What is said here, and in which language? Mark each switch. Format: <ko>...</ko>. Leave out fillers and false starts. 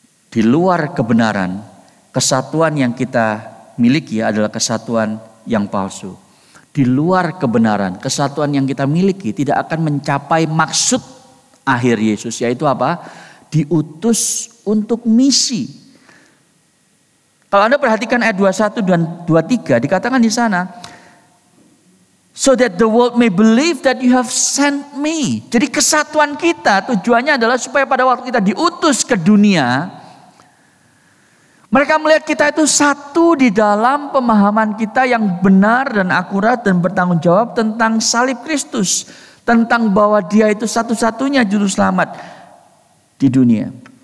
<id>Di luar kebenaran, kesatuan yang kita miliki adalah kesatuan yang palsu. Di luar kebenaran, kesatuan yang kita miliki tidak akan mencapai maksud akhir Yesus, yaitu apa? Diutus untuk misi. Kalau Anda perhatikan ayat 21 dan 23, dikatakan di sana,</id> <en>so that the world may believe that you have sent me.</en> <id>Jadi kesatuan kita tujuannya adalah supaya pada waktu kita diutus ke dunia, mereka melihat kita itu satu di dalam pemahaman kita yang benar dan akurat dan bertanggung jawab tentang salib Kristus. Tentang bahwa dia itu satu-satunya juru selamat di dunia.</id>